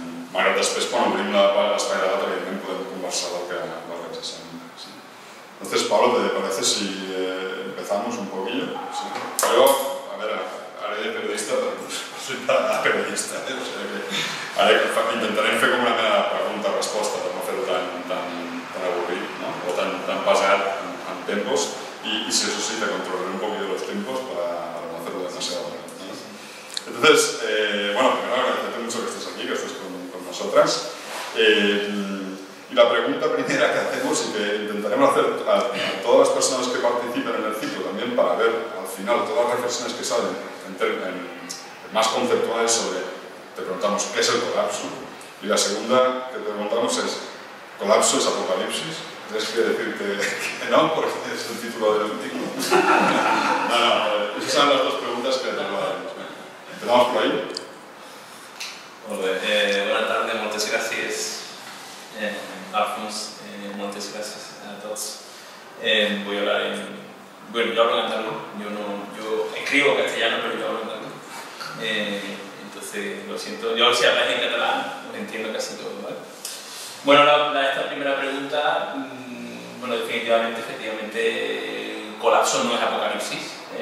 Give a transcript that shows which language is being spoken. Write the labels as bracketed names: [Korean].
[Catalan] Malgrat després, quan obrim l'espai de data, evidentment podem conversar del que ens sembla. [Spanish] Entonces, Pablo, ¿te parece si empezamos un poquillo? ¿Sí? Yo, a ver, haré de periodista, pero no soy nada periodista, ¿eh? O sea que haré, intentaré hacer como una mera pregunta-respuesta, para no hacerlo tan aburrido, ¿no? O tan pasar en tiempos, y si eso sí, te controlaré un poquillo los tiempos para no hacerlo demasiado bien, ¿no? Entonces, bueno, primero agradecerte mucho que estés aquí, que estés con nosotras. Y la pregunta primera que hacemos y que intentaremos hacer a todas las personas que participen en el ciclo también para ver al final todas las reflexiones que salen en más conceptuales sobre, te preguntamos, ¿qué es el colapso? Y la segunda que te preguntamos es, ¿colapso es apocalipsis? ¿Tienes que decir que no? Porque es el título del artículo. No, esas son las dos preguntas que te preguntaremos. ¿Empezamos por ahí? Buenas tardes, muchas gracias. [Catalan] Alfons, moltes gràcies a tots. Vull [Spanish] hablar en Bueno, yo hablo en andaluz, yo escribo castellano, pero yo hablo en andaluz. Entonces, lo siento. Yo, si hablas en catalán, entiendo casi todo, ¿vale? Bueno, esta primera pregunta, bueno, efectivamente, colapso no es apocalipsis.